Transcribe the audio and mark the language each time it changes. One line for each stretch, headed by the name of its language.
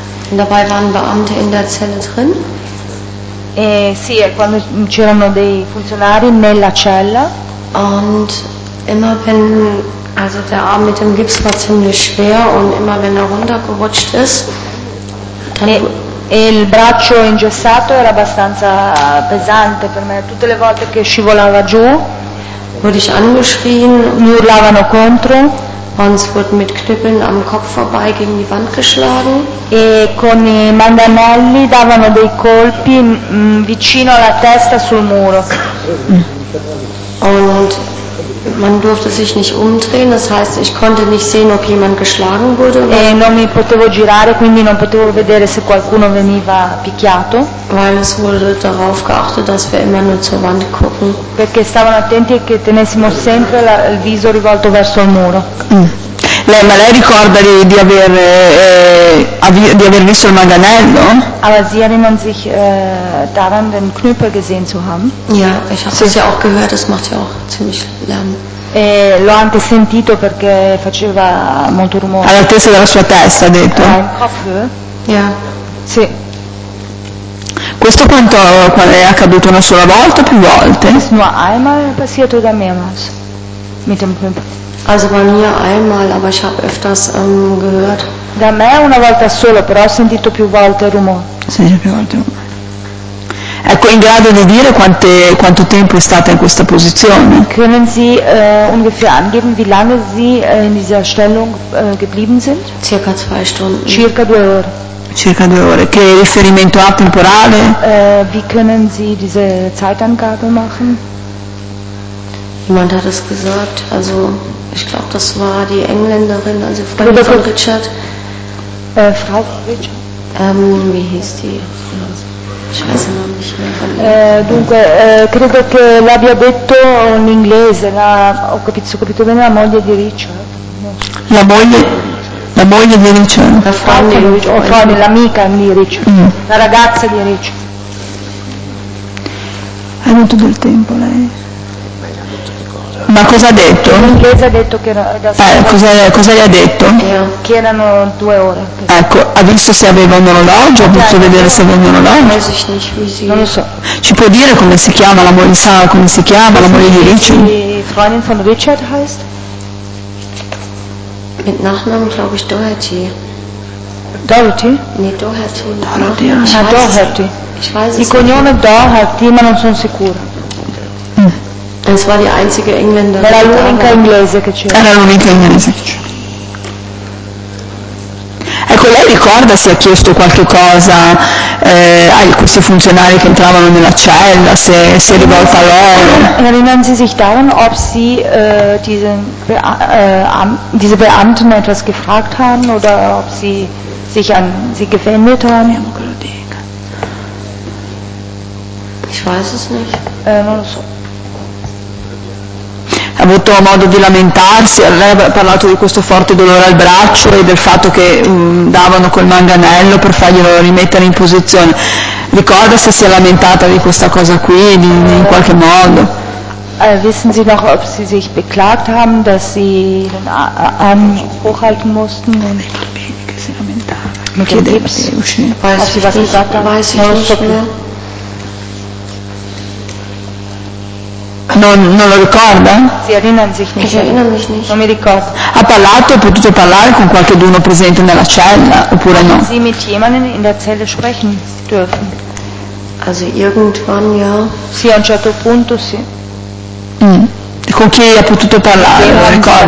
German: Und dabei waren Beamte in der Zelle drin.
Italian: Sì, quando c'erano dei funzionari nella cella.
German: Und immer wenn, also der Arm mit dem Gips war ziemlich schwer und immer wenn er runtergerutscht ist,
Italian: dann il braccio ingessato era abbastanza pesante per me, tutte le volte che scivolava giù,
German: wurde ich angeschrien,
Italian: mi urlavano contro.
German: Uns wurden mit Knüppeln am Kopf vorbei gegen die Wand geschlagen.
Italian: E con i mandanelli davano dei colpi vicino alla testa sul muro.
German: Und man durfte sich nicht umdrehen, das heißt, ich konnte nicht sehen, ob jemand geschlagen wurde.
Italian: E non mi potevo girare, quindi non potevo vedere se qualcuno veniva picchiato.
German: Weil es wurde darauf geachtet, dass wir immer nur zur Wand gucken.
Italian: Perché stavano attenti che tenessimo sempre il viso rivolto verso il muro. Lei, ma lei ricorda di aver visto il manganello?
German: Aber sie erinnern sich daran, den Knüppel gesehen zu haben. Ja, ich habe es ja auch gehört, das macht ja auch ziemlich Lärm.
Italian: L'ho anche sentito perché faceva molto rumore. All'altezza della sua testa, ha detto.
German: Ja.
Italian: Sì. Questo quanto è accaduto una sola volta o più volte?
German: Nur einmal passiert oder mehrmals mit dem Knüppel. Also bei mir einmal, aber ich habe öfters gehört.
Italian: Da me una volta solo, però ho sentito più volte il rumore. Sì, più volte il rumore. Ecco, in grado di dire quanto tempo è stata in questa posizione?
German: Können Sie ungefähr angeben, wie lange Sie in dieser Stellung geblieben sind? Circa zwei Stunden.
Italian: Circa due ore. Circa due ore. Che riferimento ha temporale?
German: Wie können Sie diese Zeitangabe machen? Jemand hat es gesagt, also ich glaube, das war die Engländerin, also Frau von Richard. Frau Richard? Wie hieß die? Ich weiß den Namen nicht mehr.
Italian: Dunque, credo che l'abbia detto un inglese, ho capito bene, la moglie di Richard. La moglie di Richard? La Frau di Richard, l'amica di Richard, la ragazza di Richard. Hai avuto del tempo lei? Ma cosa ha detto? L'inglese ha detto che era da cosa gli ha detto? Che erano due ore. Ecco, ha visto se aveva un orologio, vedere se aveva un orologio. Non lo so. Ci può dire come si chiama la moglie, sa come si chiama la moglie di Richard?
German: Die Freundin von Richard heißt? Mit Nachnamen, glaube ich, Doherty. Doherty? Nee, Doherty. Doherty. Ich weiß
Italian: il cognome Doherty, ma non sono sicura.
German: Es war die einzige Engländerin.
Italian: Era l'unica inglese che c'era. Era l'unica inglese. Ecco, lei ricorda se ha chiesto qualche cosa a questi funzionari che entravano nella cella, se si è rivolta a loro?
German: Erinnern Sie sich daran, ob Sie diese Beamten etwas gefragt haben oder ob Sie sich an sie gewendet haben? Ich weiß es nicht.
Italian: Non lo so. Ha avuto modo di lamentarsi, lei ha parlato di questo forte dolore al braccio e del fatto che davano col manganello per farglielo rimettere in posizione. Ricorda se si è lamentata di questa cosa qui, in qualche modo?
German: Wissen Sie noch, ob Sie sich beklagt haben, dass Sie den Arm hochhalten mussten?
Italian: Non è col bene che si lamentava. Mi chiedeva se uscì.
German: Weiß ich nicht mehr.
Italian: Non lo ricorda?
German: Sie erinnern sich nicht. Ich erinnere mich nicht.
Italian: Non mi ricordo. Ha parlato, ha potuto parlare con qualcuno presente nella cella, oppure no?
German: Sie mit jemandem in der Zelle sprechen dürfen. Also irgendwann ja.
Italian: Sì, a un certo punto sì. Con chi ha potuto parlare?